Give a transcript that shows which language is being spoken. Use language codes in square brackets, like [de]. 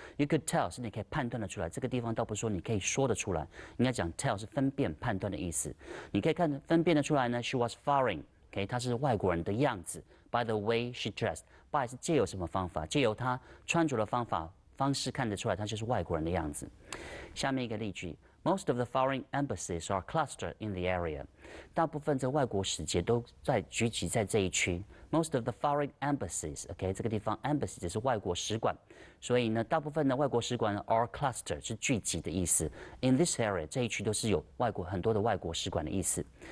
[en] You could tell [zh] 是你可以判断得出来，这个地方倒不是说你可以说得出来，应该讲 tell 是分辨判断的意思。你可以看分辨得出来呢 ， [en] She was foreign， [zh] OK， 她是外国人的样子。 [en] By the way she dressed， by [zh] 是借由什么方法？借由她穿着的方法方式看得出来她就是外国人的样子。下面一个例句。 [en] Most of the foreign embassies are clustered in the area. [zh] 大部分的外国使节都在聚集在这一区。 [en] Most of the foreign embassies, [zh] OK, 这个地方 embassy 只是外国使馆，所以呢，大部分的外国使馆 [en] are clustered [zh] 是聚集的意思。 [en] In this area, [zh] 这一区都是有外国很多的外国使馆的意思。